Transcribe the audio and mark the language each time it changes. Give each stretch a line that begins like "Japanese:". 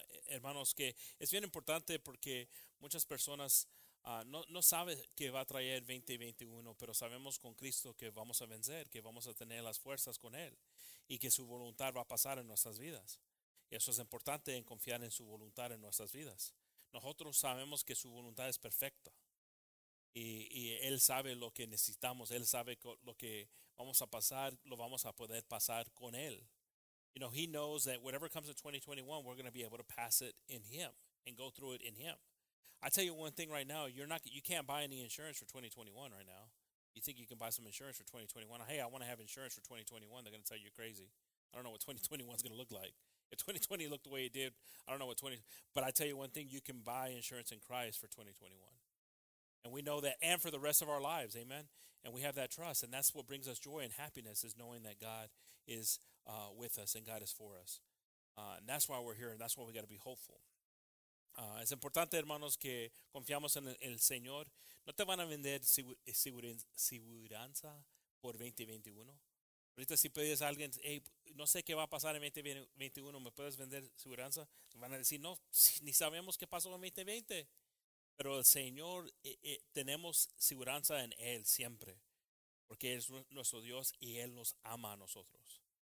Spanish: Hermanos, que es bien importante porque muchas personas no sabe que va a traer 2021, pero sabemos con Cristo que vamos a vencer, que vamos a tener las fuerzas con él y que su voluntad va a pasar en nuestras vidas. Y eso es importante, en confiar en su voluntad en nuestras vidas. Nosotros sabemos que su voluntad es perfecta y él sabe lo que necesitamos, él sabe lo que vamos a pasar, lo vamos a poder pasar con él.
English: You know, he knows that whatever comes in 2021, we're going to be able to pass it in him and go through it in him. I tell you one thing right now, you can't buy any insurance for 2021 right now. You think you can buy some insurance for 2021? Hey, I want to have insurance for 2021. They're going to tell you you're crazy. I don't know what 2021 is going to look like. If 2020 looked the way it did, I don't know what 20, but I tell you one thing, you can buy insurance in Christ for 2021. And we know that, and for the rest of our lives, amen? And we have that trust, and that's what brings us joy and happiness, is knowing that God is with us and God is for us. And that's why we're here, and that's why we got to be hopeful.
Spanish: Es importante, hermanos, que confiamos en el Señor. No te van a vender seguridad por 2021. Ahorita si pides a alguien, hey, no sé qué va a pasar en 2021, ¿me puedes vender seguridad? Van a decir, no, ni sabemos qué pasó en 2020. Pero el Señor, tenemos seguridad en Él siempre, porque es nuestro Dios y Él nos ama a nosotros.